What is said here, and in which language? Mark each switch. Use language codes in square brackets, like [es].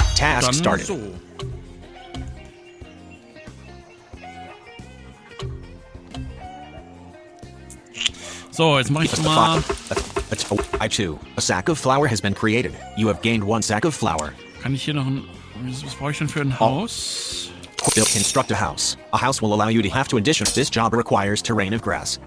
[en] Task [de] dann [en] started. [de] So. So, jetzt mach ich mal. I2. [en] A sack of flour has been created. You have gained one sack of flour. [de] Kann ich hier noch ein. Was brauche ich denn für ein Haus? [en] Construct a house. A house will allow you to have to addition. This job requires terrain of grass.